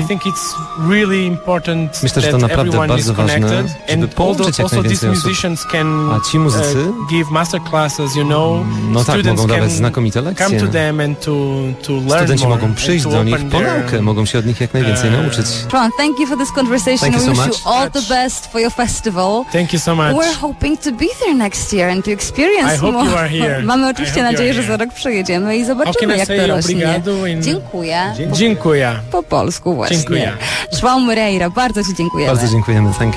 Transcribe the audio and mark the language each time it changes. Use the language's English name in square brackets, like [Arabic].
[English] I think it's really important. [Polish] Myślę, że to naprawdę bardzo ważne, żeby połączyć jak najwięcej osób. [English] Can, [Polish] a ci muzycy [English] give masterclasses, you know, [Polish] no tak, mogą dawać znakomite lekcje. Studenci mogą przyjść do nich po naukę, mogą się od nich jak najwięcej nauczyć. [English] Tron, thank you for this conversation. Thank you so much. Wish you all the best for your festival. Thank you so much. We're hoping to be there next year and to experience more. I hope you are here. [Polish] Mamy oczywiście nadzieję, że za rok przyjedziemy i zobaczymy, jak to rośnie. Dziękuję. Dziękuję. Po polsku właśnie. Dziękuję. João Moreira, bardzo Ci dziękujemy. Bardzo dziękujemy, [English] thank you.